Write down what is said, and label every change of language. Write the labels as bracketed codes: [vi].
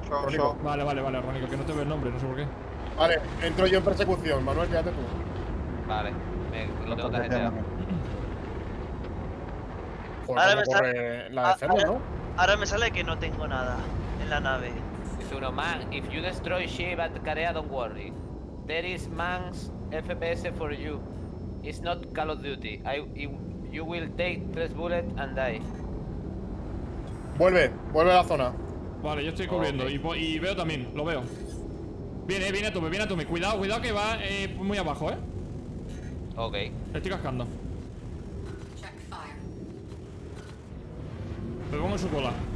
[es] Yo. Vale, Rónico, que no te veo el nombre, no sé por qué. Vale, entro yo en persecución. Manuel, quédate tú. Vale, lo tengo que hacer. Ahora me sale la defender, ¿no? Ahora me sale que no tengo nada en la nave. Dice uno, [en] man, if you destroy ship at Carea, don't worry. There is man's FPS for you. It's not Call of Duty. You will take 3 bullets and die. [es] Vuelve a la zona. Vale, yo estoy cubriendo y veo también, lo veo. Viene a tope. Cuidado que va muy abajo, ¿eh? Ok. Estoy cascando. Me pongo en su cola.